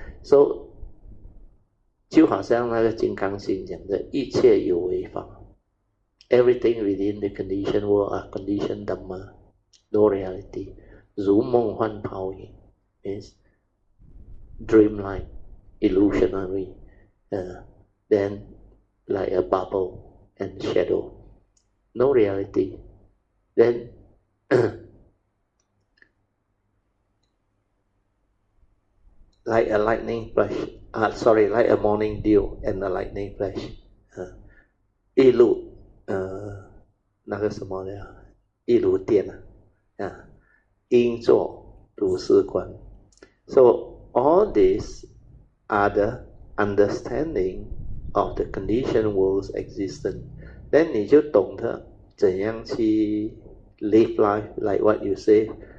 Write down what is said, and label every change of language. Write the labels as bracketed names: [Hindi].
[Chinese] So 就好像那个金刚经讲的，一切有为法。 [English] Everything within the conditioned world are conditioned Dhamma, no reality. [Chinese] 如梦幻泡影 [English] means dreamlike, illusionary. Then like a bubble and shadow, no reality. Then like a lightning flash. Sorry, like a morning dew and a lightning flash. Illu. [Chinese] 那个什么的，一如电啊，应作如是观。 [English] So all these are the understanding of the conditioned world's existence. Then [Chinese] 你就懂得怎样去 [English] live life, like what you say.